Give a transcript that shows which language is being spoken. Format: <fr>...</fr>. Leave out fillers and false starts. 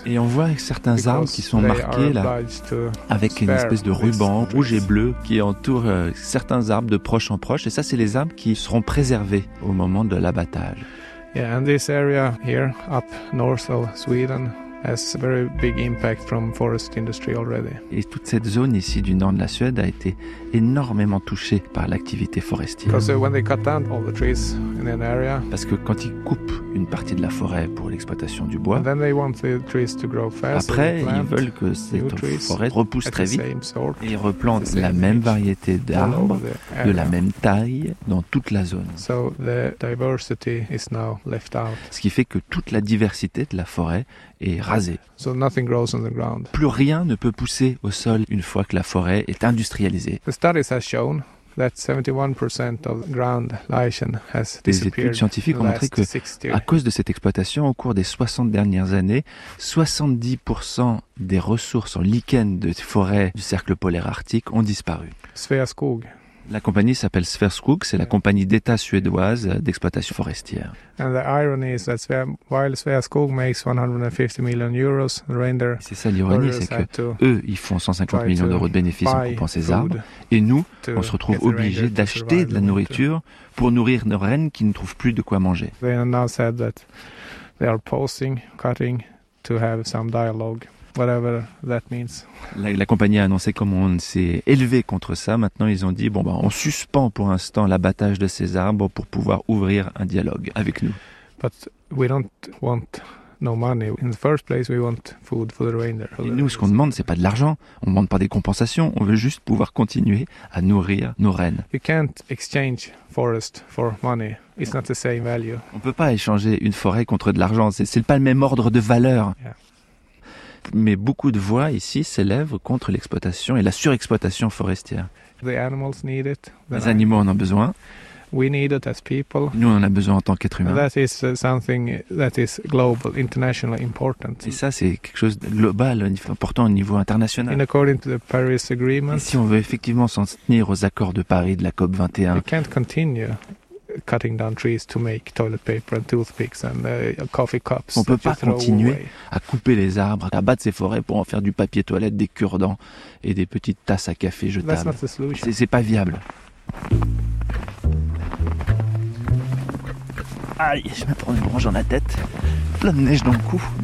<fr>Et on voit certains arbres qui sont marqués là, avec une espèce de ruban rouge et bleu qui entoure certains arbres de proche en proche. Et ça, c'est les arbres qui seront préservés au moment de l'abattage.</fr> <en>Yeah, and this area here, up north of Sweden. Has a very big impact from forest industry already.</en> <fr>Et toute cette zone ici du nord de la Suède a été énormément touchée par l'activité forestière.</fr> <en>Because when they cut down all the trees in an area.</en> <fr>Parce que quand ils coupent une partie de la forêt pour l'exploitation du bois.</fr> <en>Then they want the trees to grow fast.</en> <fr>Après, ils veulent que cette forêt repousse très vite. Et ils replantent la même variété d'arbres de la même taille dans toute la zone.</fr> <en>So the diversity is now left out.</en> <fr>Ce qui fait que toute la diversité de la forêt est rasé.</fr> <en>So nothing grows on the ground.</en> <fr>Plus rien ne peut pousser au sol une fois que la forêt est industrialisée.</fr> <en>The studies have shown that 71% of ground lichen has disappeared.</en> <fr>Les études scientifiques ont montré que à cause de cette exploitation au cours des 60 dernières années, 70% des ressources en lichen de forêts du cercle polaire arctique ont disparu. Sveaskog. La compagnie s'appelle Sveaskog, c'est la compagnie d'État suédoise d'exploitation forestière.</fr> <en>And the irony is that while Sveaskog makes 150 million euros, the reindeer.</en> <fr>C'est ça l'ironie, c'est que eux, ils font 150 millions d'euros de bénéfices en coupant ces arbres, et nous, on se retrouve obligés d'acheter de la nourriture pour nourrir nos rennes qui ne trouvent plus de quoi manger.</fr> <en>They now said that they are pausing cutting to have some dialogue. Whatever that means.</en> <fr>La compagnie a annoncé comment on s'est élevé contre ça. Maintenant, ils ont dit, bon, on suspend pour l'instant l'abattage de ces arbres pour pouvoir ouvrir un dialogue avec nous.</fr> <en>But we don't want no money. In the first place, we want food for the reindeer.</en> <fr>Et nous, ce qu'on demande, c'est pas de l'argent. On demande pas des compensations. On veut juste pouvoir continuer à nourrir nos rennes.</fr> <en>You can't exchange forest for money. It's not the same value.</en> <fr>On peut pas échanger une forêt contre de l'argent. C'est pas le même ordre de valeur.</fr> <en>Yeah.</en> <fr>Mais beaucoup de voix ici s'élèvent contre l'exploitation et la surexploitation forestière.</fr> <en>The animals need it.</en> <fr>Les animaux en ont besoin.</fr> <en>We need it as people.</en> <fr>Nous on en a besoin en tant qu'être humain.</fr> <en>That is something that is global, internationally important.</en> <fr>Et ça c'est quelque chose de global, important au niveau international.</fr> <en>In according to the Paris Agreement.</en> <fr>Et si on veut effectivement s'en tenir aux accords de Paris de la COP 21.</fr> <en>We can't continue cutting down trees to make toilet paper and toothpicks and coffee cups.</en> <fr>On peut pas continuer à couper les arbres, à abattre ces forêts pour en faire du papier toilette, des cure-dents et des petites tasses à café jetables.</fr> <en>That's not the solution.</en> <fr>C'est pas viable. Aïe, je vais prendre une branche dans la tête. Plein de neige dans le cou.</fr>